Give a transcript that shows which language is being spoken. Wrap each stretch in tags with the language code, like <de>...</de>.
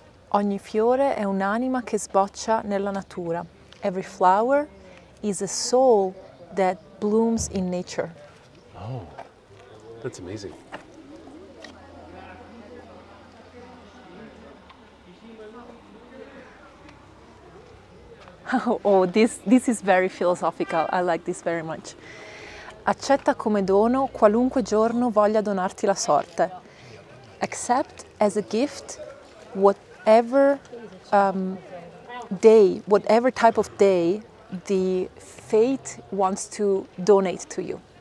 <it>Ogni fiore è un'anima che sboccia nella natura.</it> <en>Every flower is a soul that blooms in nature. Oh, that's amazing. Oh, this is very philosophical. I like this very much.</en> <it>Accetta come dono qualunque giorno voglia donarti la sorte.</it> <en>Accept as a gift whatever day, whatever type of day the fate wants to donate to you.</en>